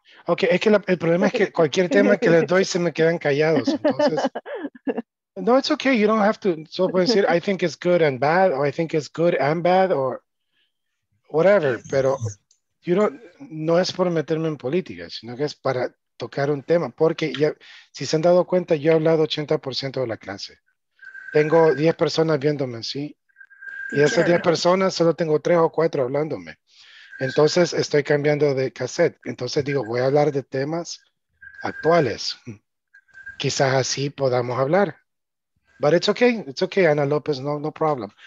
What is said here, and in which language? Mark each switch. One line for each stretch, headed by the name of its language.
Spanish: Okay, es que el problema es que cualquier tema que les doy se me quedan callados. Entonces, no,
English: it's okay. You don't have to. So,
Spanish: puedes decir,
English: I think it's good and bad, or I think it's good and bad, or whatever.
Spanish: Pero
English: you don't,
Spanish: no es por meterme en política, sino que es para tocar un tema. Porque ya, si se han dado cuenta, yo he hablado 80% de la clase. Tengo 10 personas viéndome, ¿sí? Y esas 10 personas, solo tengo 3 o 4 hablándome. Entonces, estoy cambiando de cassette. Entonces, digo, voy a hablar de temas actuales. Quizás así podamos hablar.
English: But it's okay, Ana López, no, no problem.